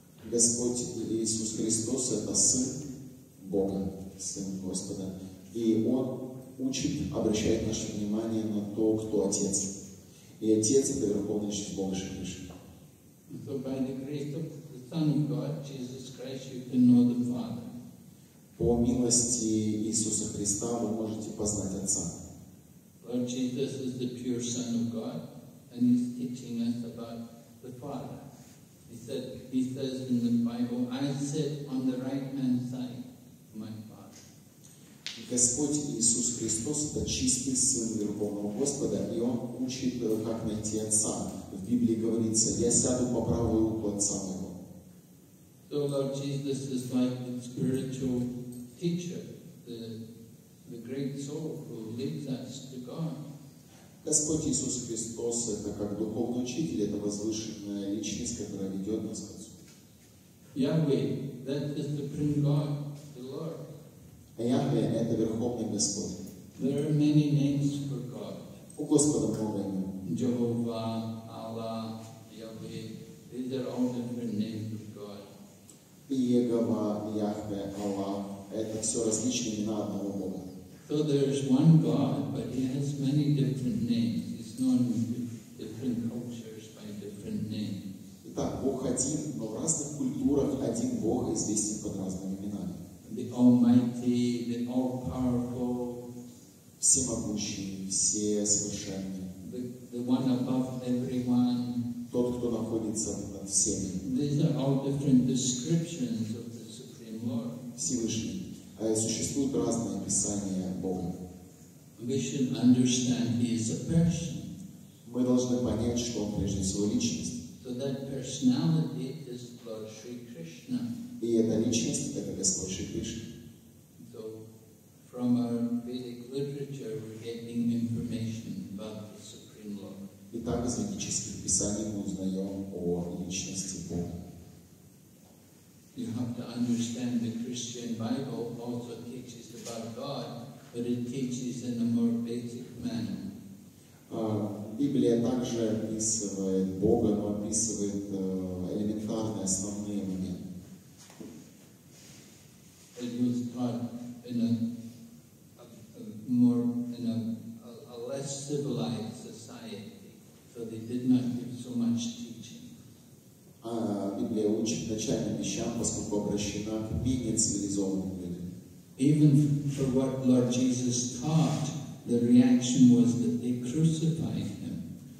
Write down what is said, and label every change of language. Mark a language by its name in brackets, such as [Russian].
[Russian] Господь Иисус Христос – это Сын Бога, Сын Господа. И Он учит, обращает наше внимание на то, кто Отец. И Отец – это Верховный Бог Шри Кришна. [English] So by the grace of the Son of God, Jesus Christ, you can know the Father. [Russian] По милости Иисуса Христа вы можете познать Отца. [English] Lord Jesus is the pure Son of God, and He's teaching us about the Father. He says in the Bible, I sit on the right hand side of my Father. [Russian] Господь Иисус Христос – это чистый Сын Верховного Господа, и Он учит, как найти Отца. В Библии говорится, я сяду по правую руку Отца Моего. [English] So Lord Jesus is like the spiritual teacher, the great soul who leads us to God. [Russian] Господь Иисус Христос – это как духовный учитель, это возвышенная личность, которая ведет нас к Отцу. [English] Yahweh, that is the Supreme God, the Lord. [Russian] Yahweh – это Верховный Господь. [English] There are many names for God. [Russian] У Господа много имен. [English] Jehovah, Allah, Yahweh, these are all different names of God. [Russian] Иегова, Яхве, Аллах – это все различные имена одного Бога. [English] So there is one God, but He has many different names. He's known in different cultures by different names. [Russian] Итак, Бог один, но в разных культурах один Бог известен под разными именами. [English] The Almighty, the All-Powerful. [Russian] Всемогущий, все совершенные. [English] The one above everyone. [Russian] Тот, кто находится над всеми. [English] These are all different descriptions of the Supreme Lord. [Russian] Всевышний. Существуют разные описания Бога. [English] We should understand He is a person. [Russian] Мы должны понять, что Он прежде всего личность. [English] So that personality is Lord Sri Krishna. [Russian] И эта личность – это Господь Шри Кришна. [English] So, from our Vedic literature, we're getting information about the Supreme Lord. [Russian] Итак, из ведических писаний мы узнаем о личности Бога. [English] You have to understand the Christian Bible also teaches about God, but it teaches in a more basic manner. [Russian] Библия также описывает Бога, но описывает элементарные основные моменты. [English] God in a more in a less civilized society, so they did not give so much teaching. [Russian] А Библия учит начальным вещам, поскольку обращена к менее цивилизованным людям. [English] Even for what Lord Jesus taught, the reaction was that they crucified him.